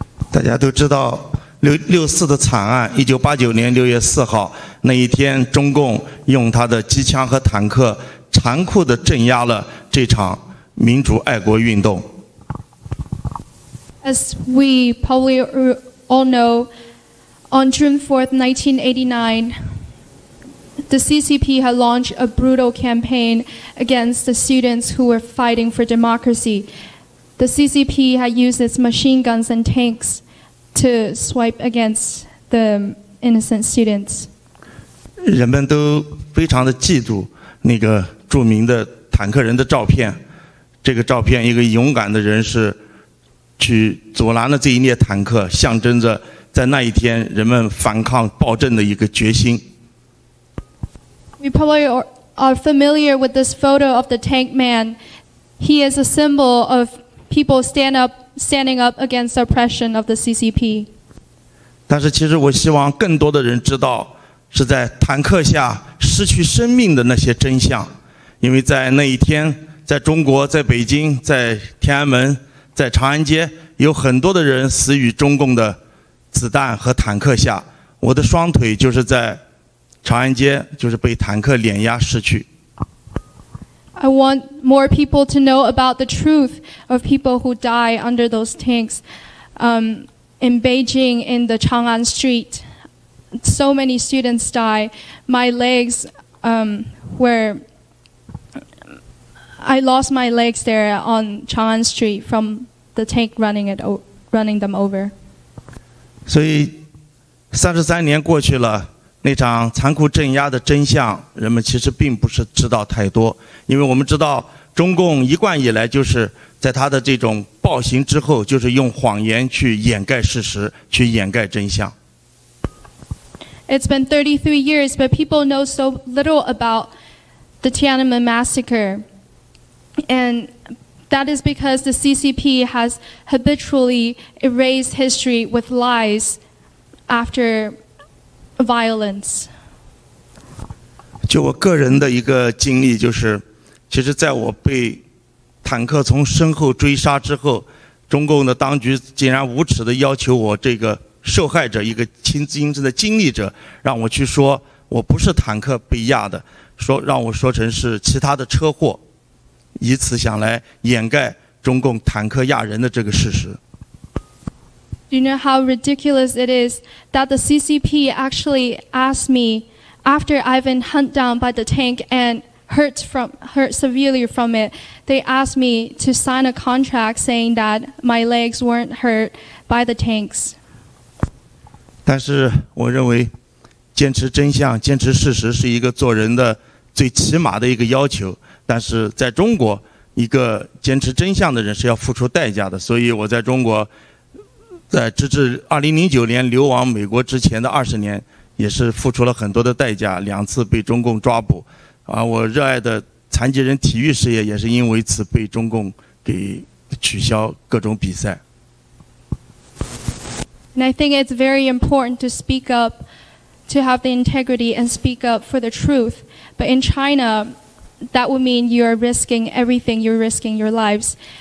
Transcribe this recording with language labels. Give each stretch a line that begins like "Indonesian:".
Chinese: 大家都知道六四的惨案，1989年6月4号那一天，中共用他的机枪和坦克残酷地镇压了这场民主爱国运动。
English: As we probably all know, on June 4th, 1989, the CCP had launched a brutal campaign against the students who were fighting for democracy. The CCP had used its machine guns and tanks to swipe against the innocent students.
Chinese: 人们都非常的嫉妒那个著名的坦克人的照片。这个照片，一个勇敢的人士去阻拦了这一列坦克，象征着在那一天人们反抗暴政的一个决心。
English: We probably are familiar with this photo of the tank man. He is a symbol of. People standing up against the oppression of the CCP.
Chinese: 但是其实我希望更多的人知道是在坦克下失去生命的那些真相，因为在那一天，在中国，在北京，在天安门，在长安街，有很多的人死于中共的子弹和坦克下。我的双腿就是在长安街，就是被坦克碾压失去。
English: I want more people to know about the truth of people who die under those tanks. In Beijing, in the Chang'an street, so many students die. My legs I lost my legs there on Chang'an street from the tank running them over.
Chinese: 所以 33年过去了，那场残酷镇压的真相，人们其实并不是知道太多，因为我们知道中共一贯以来就是在他的这种暴行之后，就是用谎言去掩盖事实，去掩盖真相。
English: It's been 33 years, but people know so little about the Tiananmen massacre. And that is because the CCP has habitually erased history with lies after violence.
Chinese: 就我个人的一个经历就是，其实在我被坦克从身后追杀之后，中共的当局竟然无耻地要求我这个受害者，一个亲身的经历者，让我去说我不是坦克被压的，说让我说成是其他的车祸，以此想来掩盖中共坦克压人的这个事实。
English: Do you know how ridiculous it is that the CCP actually asked me after I've been hunted down by the tank and hurt severely from it, they asked me to sign a contract saying that my legs weren't hurt by the tanks.
Chinese: 但是我认为坚持真相、坚持事实是一个做人的最起码的一个要求，但是在中国一个坚持真相的人是要付出代价的，所以我在中国在直至2009年流亡美国之前的20年也是付出了很多的代价，两次被中共抓捕，而我热爱的残疾人体育事业也是因为此被中共给取消各种比赛。
English: And I think it's very important to speak up, to have the integrity and speak up for the truth, but in China that would mean you are risking everything, you're risking your lives.